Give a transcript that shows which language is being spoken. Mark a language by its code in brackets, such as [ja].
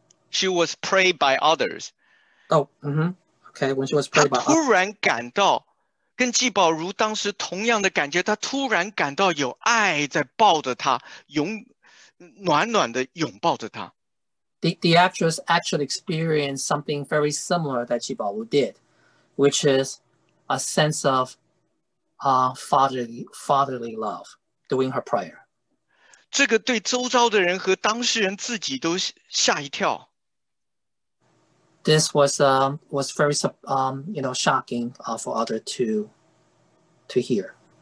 [en] she was prayed by others. Oh, mm-hmm. Okay, when she was prayed about. [zh] 她突然感到跟季宝如当时同样的感觉，她突然感到有爱在抱着她，暖暖的拥抱着她。 [en] The actress actually experienced something very similar that Ji Bao Wu did, which is a sense of fatherly love during her prayer. [zh] 这个对周遭的人和当事人自己都吓一跳。 [en] This was very shocking for others to hear.